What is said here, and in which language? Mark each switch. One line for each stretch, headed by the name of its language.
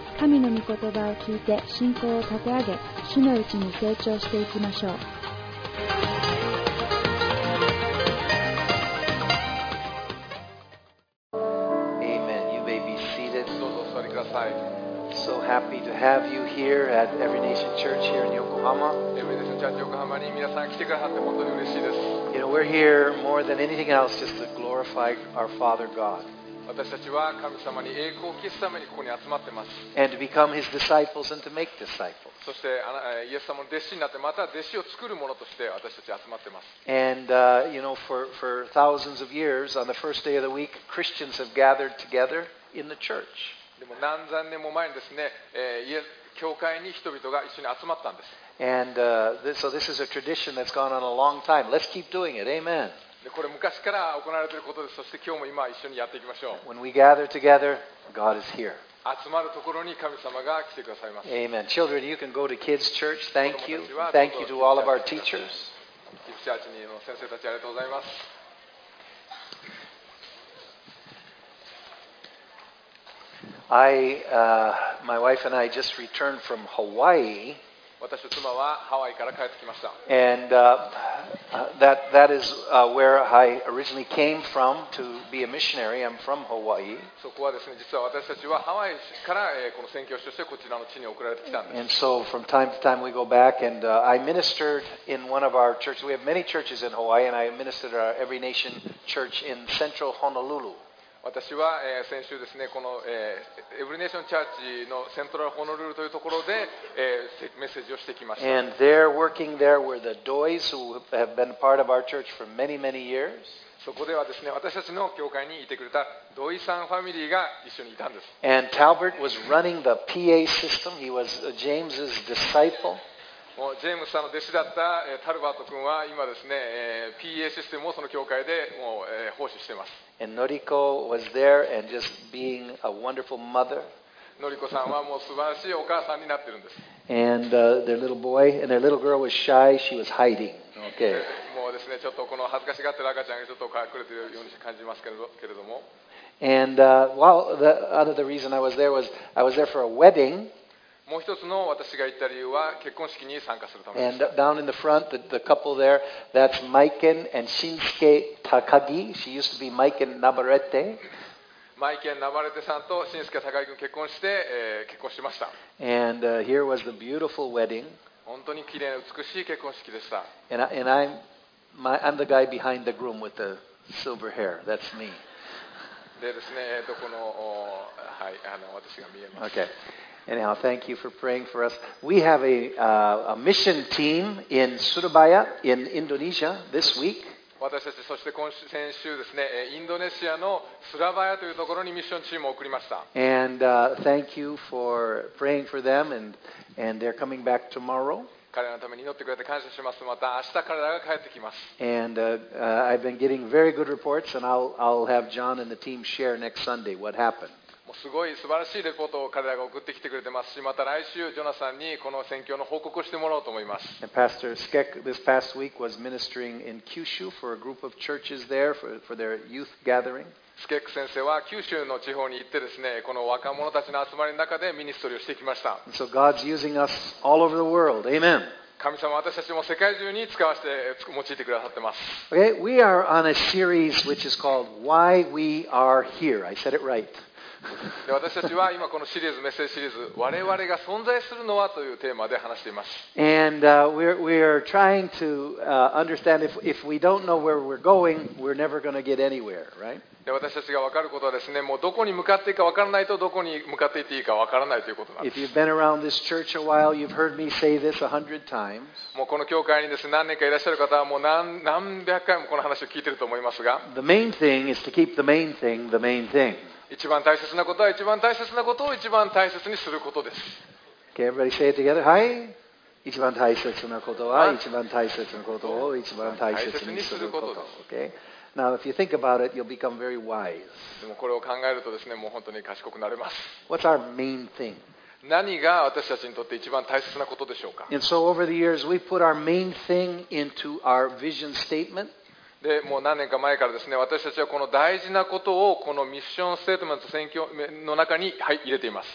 Japanese: 神の御言葉を聞いて信仰を立て上げ、主のうちに成長していきましょう。
English: Amen. You may be seated.
Japanese: どうぞお座りください。
English: So happy to have you here at Every Nation Church here in Yokohama.
Japanese: Every Nation Church Yokohama に皆さん来てくださって本当に嬉しいです。
English: You know, we're here more than anything else just to glorify our Father God.
Japanese: 私たちは神様に栄光を期すためにここに集まってます。
English: And to become his disciples and to make disciples.
Japanese: そしてイエス様の弟子になってまた弟子を作るものとして私たち集まってます。
English: And you know, for thousands of years, on the first day of the week, Christians have gathered together in the church.
Japanese: でも何千年も前にですね、教会に人々が一緒に集まったんです。
English: And so this is a tradition that's gone on a long time. Let's keep doing it. Amen.
Japanese: これ昔から行われていることです。そして今日も今一緒にやっていきましょう。
English: When we gather together, God is here.
Japanese: 集まるところに神様が来てくださいます。
English: Amen. Children, you can go to kids' church. Thank you. Thank you to all of our teachers.
Japanese: キッズチャーチの先生たちありがとうございます。
English: My wife and I just returned from Hawaii.
Japanese: 私と妻はハワイから帰ってきました。
English: And that is where I originally came from to be a missionary. I'm from Hawaii.
Japanese: そこはですね、実は私たちはハワイからこの宣教師としてこちらの地に送られてきたんです。
English: And so from time to time we go back and I ministered in one of our churches. We have many churches in Hawaii and I ministered at our Every Nation Church in central Honolulu.
Japanese: 私は先週ですね、このエブリネーションチャーチのセントラルホノルルというところでメッセージをしてきました。
English: And there working there were the Doys who have been part of our church for many, many years.
Japanese: そこではですね、私たちの教会にいてくれたドイさんファミリーが一緒にいたんです。
English: And Talbert was running the PA system. He was James's disciple.
Japanese: もうジェームスさんの弟子だったタルバート君は今ですね、PA システムをその教会でもう奉仕しています。
English: And Noriko was there and just being a wonderful mother.
Japanese: Noriko さんはもう素晴らしいお母さんになってるんです。
English: And their little boy and their little girl was shy. She was hiding. Okay.
Japanese: もうですね、ちょっとこの恥ずかしがってる赤ちゃんがちょっと隠れてるように感じますけれども。
English: And well, the other reason I was there for a wedding.
Japanese: もう一つの私が行った理由は結婚式に参加するためです。
English: And down in the front, the couple there, that's Maiken and Shinsuke Takagi. She used to be Maiken Nabarete.
Japanese: Maiken Nabarete さんと Shinsuke Takagi 君結婚して、結婚しました。
English: And here was the beautiful wedding.
Japanese: 本当に綺麗な美しい結婚式でした。
English: And I'm the guy behind the groom with the silver hair. That's me.
Japanese: でですね、このはい、私が見えます。
English: Okay. Anyhow, thank you for praying for us. We have a mission team in Surabaya in Indonesia this week.
Japanese: 私たちそして先週ですね、インドネシアのスラバヤというところにミッションチームを送りました。
English: And thank you for praying for them and they're coming back tomorrow.
Japanese: 彼らのために祈ってくれて感謝します。また明日彼らが帰ってきます。
English: And I've been getting very good reports and I'll have John and the team share next Sunday what happened.
Japanese: もうすごい素晴らしいレポートを彼らが送ってきてくれてますし、また来週ジョナサンにこの宣教の報告をしてもらおうと思います。
English: Pastor Skek this past week was ministering in Kyushu for a group of churches there for their youth gathering.
Japanese: スケック先生は九州の地方に行ってですね、この若者たちの集まりの中でミニストリーをしてきました。
English: So God's using us all over the world. Amen.
Japanese: 神様私たちも世界中に使わせて用いてくださってます。
English: Okay, we are on a series which is called Why We Are Here. I said it right.
Japanese: で私たちは今このシリーズメッセージシリーズ我々が存在するのはというテーマで話しています。
English: And we're trying to understand if we don't know where we're going, we're never going to get anywhere, right?
Japanese: で私たちが分かることはですね、もうどこに向かっていくか分からないとどこに向かっていっていいか分からないということなんです。
English: If you've been around this church a while, you've heard me say this 100 times.
Japanese: もうこの教会にですね、何年かいらっしゃる方はもう何百回もこの話を聞いていると思いますが、
English: The main thing is to keep the main thing the main thing.
Japanese: 一番大切なことは一番大切なことを一番大切にすることです。
English: Okay, everybody say it together.
Japanese: はい。一番大切なことは一番大切なことを一番大切にすること。
English: Okay. Now, if you think about it, you'll become very wise.
Japanese: でもこれを考えるとですね、もう本当に賢くなれます。
English: What's our main thing?
Japanese: 何が私たちにとって一番大切なことでしょうか。
English: And so over the years, we put our main thing into our vision statement.
Japanese: でもう何年か前からですね、私たちはこの大事なことをこのミッションステートメント宣教の中に、はい、入れています。